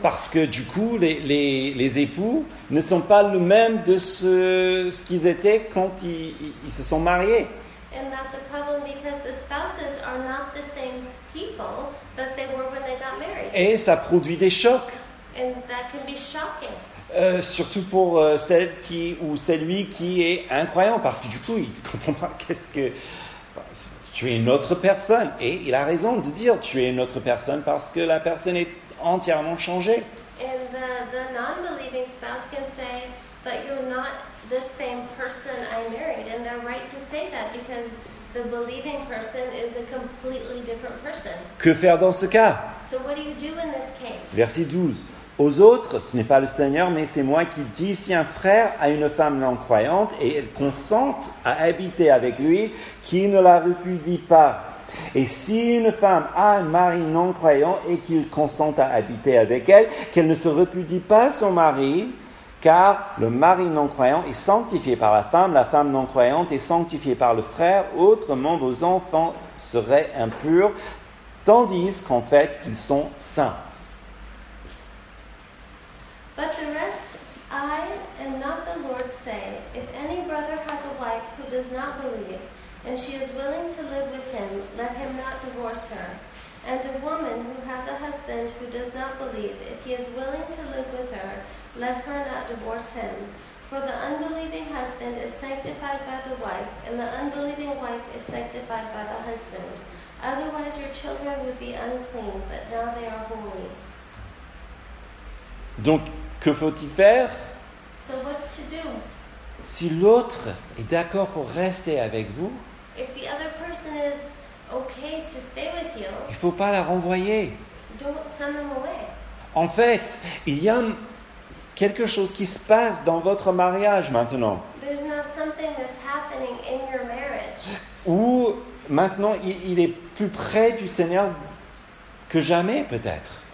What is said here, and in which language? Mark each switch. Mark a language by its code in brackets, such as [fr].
[fr] Parce que du coup, les époux ne sont pas le même de ce qu'ils étaient quand ils se sont mariés. [en] And that's a problem because the spouses are not the same people that they were when they got married. [fr] Et ça produit des chocs. [en] And that can be shocking. [fr] Surtout pour celle qui ou celui qui est incroyant, parce que du coup, il ne comprend pas qu'est-ce que... Tu es une autre personne. Et il a raison de dire tu es une autre personne parce que la personne est entièrement changée. [en] And the non-believing spouse can say, but you're not the same person I married. And they're right to say that because the believing person is a completely different person. [fr] Que faire dans ce cas? [en] So what do you do in this case? [fr] Verset 12. Aux autres, ce n'est pas le Seigneur, mais c'est moi qui dis, si un frère a une femme non-croyante et elle consente à habiter avec lui, qu'il ne la répudie pas. Et si une femme a un mari non-croyant et qu'il consente à habiter avec elle, qu'elle ne se répudie pas son mari, car le mari non-croyant est sanctifié par la femme non-croyante est sanctifiée par le frère, autrement vos enfants seraient impurs, tandis qu'en fait ils sont saints. [en] But the rest, I and not the Lord, say, if any brother has a wife who does not believe, and she is willing to live with him, let him not divorce her. And a woman who has a husband who does not believe, if he is willing to live with her, let her not divorce him. For the unbelieving husband is sanctified by the wife, and the unbelieving wife is sanctified by the husband. Otherwise your children would be unclean, but now they are holy. [fr] Donc, que faut-il faire? [en] So what to do? [fr] Si l'autre est d'accord pour rester avec vous, [en] if the other person is okay to stay with you, [fr] il ne faut pas la renvoyer. [en] Don't send them away. [fr] En fait, il y a quelque chose qui se passe dans votre mariage maintenant. [en] There's not something that's happening in your marriage. [fr] Ou maintenant, il est plus près du Seigneur que jamais, peut-être.